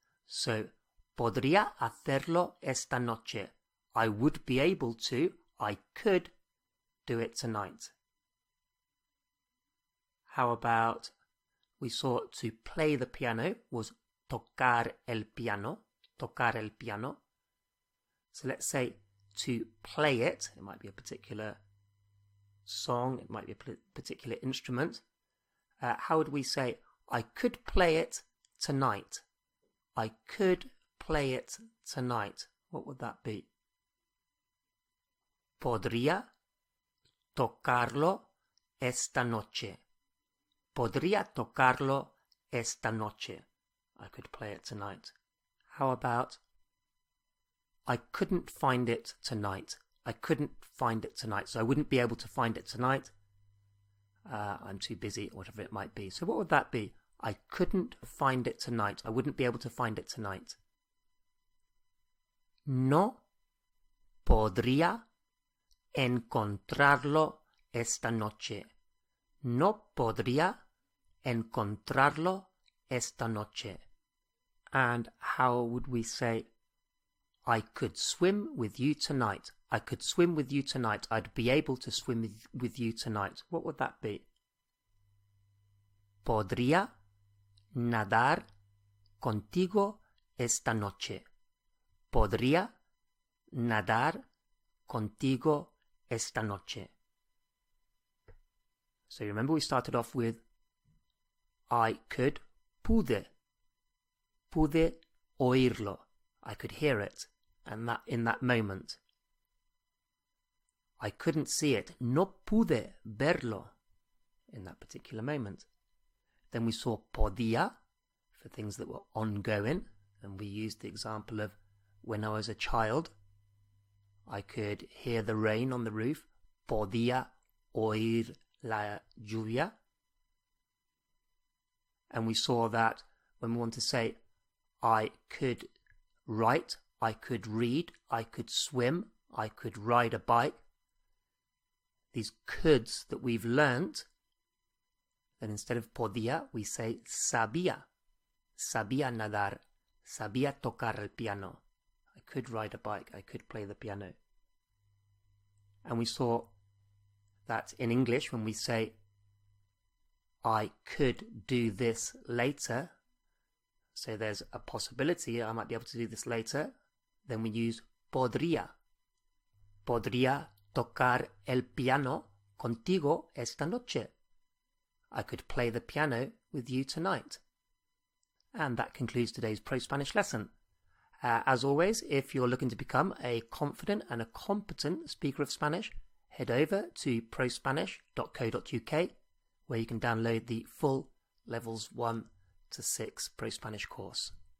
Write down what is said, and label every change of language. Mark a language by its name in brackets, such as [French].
[Spanish] So, podría hacerlo esta noche. [English] I would be able to, I could do it tonight. How about, we saw to play the piano was tocar el piano, tocar el piano. So let's say to play it, it might be a particular song, it might be a particular instrument. How would we say, I could play it tonight? I could play it tonight. What would that be? [Spanish] Podría tocarlo esta noche. Podría tocarlo esta noche. [English] I could play it tonight. How about I couldn't find it tonight. I couldn't find it tonight. So I wouldn't be able to find it tonight. I'm too busy, whatever it might be. So what would that be? I couldn't find it tonight. I wouldn't be able to find it tonight. [Spanish] No podría encontrarlo esta noche. No podría encontrarlo esta noche. [English] And how would we say, I could swim with you tonight. I could swim with you tonight. I'd be able to swim with you tonight. What would that be? [Spanish] Podría nadar contigo esta noche. Podría nadar contigo esta noche. [English] So you remember we started off with I could, pude. [Spanish] Pude oírlo. [English] I could hear it and that in that moment. I couldn't see it. [Spanish] No pude verlo [English] in that particular moment. Then we saw podía for things that were ongoing. And we used the example of when I was a child, I could hear the rain on the roof. [Spanish] Podía oír la lluvia. [English] And we saw that when we want to say, I could write, I could read, I could swim, I could ride a bike. These coulds that we've learnt, then instead of podía, we say sabía. [Spanish] Sabía nadar, sabía tocar el piano. [English] I could ride a bike, I could play the piano. And we saw that in English, when we say, I could do this later, so there's a possibility I might be able to do this later, then we use podría. [Spanish] Podría tocar el piano contigo esta noche. [English] I could play the piano with you tonight. And that concludes today's Pro Spanish lesson. As always, if you're looking to become a confident and a competent speaker of Spanish, head over to prospanish.co.uk, where you can download the full Levels 1 to 6 Pro Spanish course.